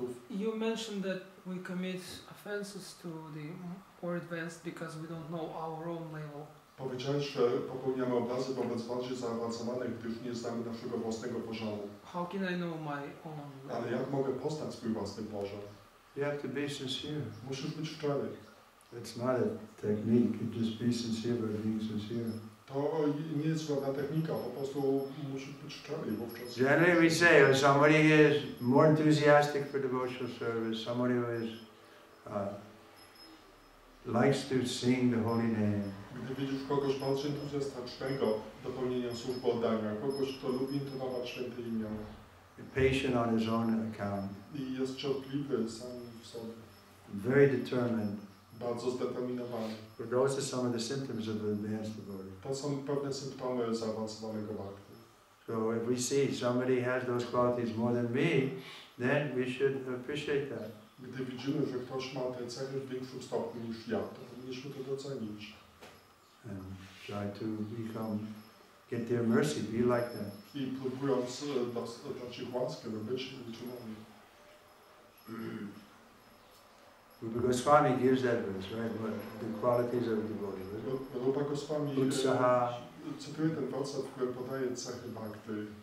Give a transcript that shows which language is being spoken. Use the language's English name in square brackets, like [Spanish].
[English] You mentioned that we commit offenses to the more advanced because we don't know our own level. [Polish] Powiedziałeś, że popełniamy obrazy wobec bardziej zaawansowanych, gdyż nie znamy naszego własnego poziomu. [English] How can I know my own level? [Polish] Ale jak mogę poznać swój własny poziom? [English] You have to be sincere. [Polish] Musisz być szczery. [English] It's not a technique. You just be sincere by being sincere. [Polish] To nie jest żadna technika, po prostu musisz być szczery wówczas. [English] Generally we say, if somebody is more enthusiastic for devotional service, somebody who is likes to sing the holy name. [Polish] Gdy widzisz kogoś bardzo entuzjastycznego do pełnienia służby oddania, kogoś, kto lubi intonować święte imię. [English] Patient on his own account. [Polish] I jest cierpliwy sam w sobie. [English] Very determined. [Polish] Bardzo zdeterminowany. [English] But those are some of the symptoms of advanced devotee. [Polish] To są pewne symptomy zaawansowanego bhakti. [English] So if we see somebody has those qualities more than me, then we should appreciate that. [Polish] Gdy widzimy, że ktoś ma te cechy w większym stopniu niż ja, to powinniśmy to docenić. [English] And try to become, get their mercy, be like them. [Polish] I próbując dać ich łaskę, by być uczynami. [English] Rupa Goswami gives that verse, right? But the qualities of the devotee, isn't it? Rupa Goswami... Utsaha. [Polish] Cytuję ten werset, który podaje cechy bhakti.